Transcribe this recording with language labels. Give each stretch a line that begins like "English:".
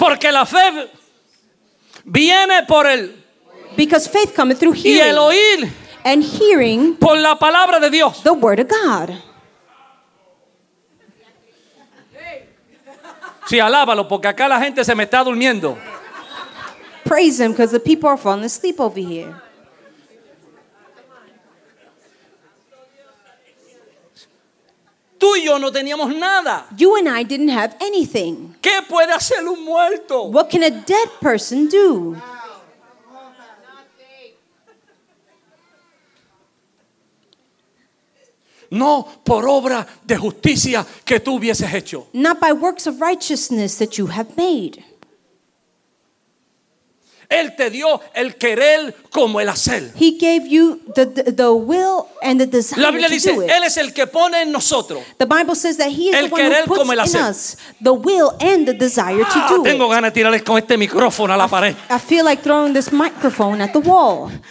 Spanish: Porque la fe viene por el.
English: Because faith comes through hearing.
Spanish: Y el oír.
English: And hearing.
Spanish: Por la palabra de Dios.
English: The word of God.
Spanish: Sí, alábalo, porque acá la gente se me está durmiendo.
English: Praise him because the people are falling asleep over here.
Spanish: Tú y yo no teníamos nada.
English: You and I didn't have anything.
Spanish: ¿Qué puede hacer un muerto?
English: What can a dead person do?
Spanish: No por obra de justicia que tú hubieses hecho.
English: Not by works of righteousness that you have made.
Spanish: Él te dio el querer como el hacer.
English: He gave you the will and the desire.
Spanish: La Biblia dice,
English: to do it.
Spanish: Él es el que pone en nosotros.
English: The Bible says that he is
Spanish: el
English: the one who puts in
Spanish: hacer.
English: Us the will and the desire to do
Spanish: tengo Tengo ganas de tirarles con este micrófono a la pared.
English: I feel like throwing this microphone at the wall.